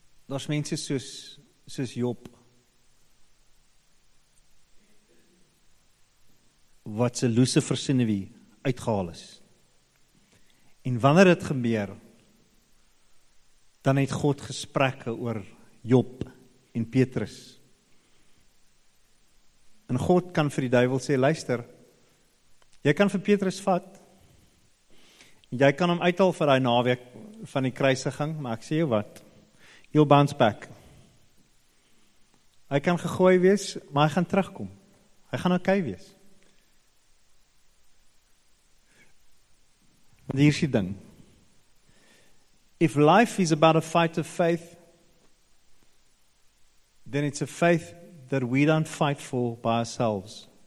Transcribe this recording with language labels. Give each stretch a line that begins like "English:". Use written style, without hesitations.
Afrikaans: daar's mense soos Job, wat sy Lucifer senuwee uitgehaal is, en wanneer het gebeur, dan het God gesprekke oor Job en Petrus. En God kan vir die duivel sê, luister, jy kan vir Petrus vat, jy kan hom uithaal vir die naweek van die kruisiging, maar ek sê jou wat,
English: he'll bounce back.
Afrikaans: Hy kan gegooi wees, maar hy gaan terugkom. Hy gaan okay wees. En hier is die ding,
English: if life is about a fight of faith, then it's a faith that we don't fight for by ourselves.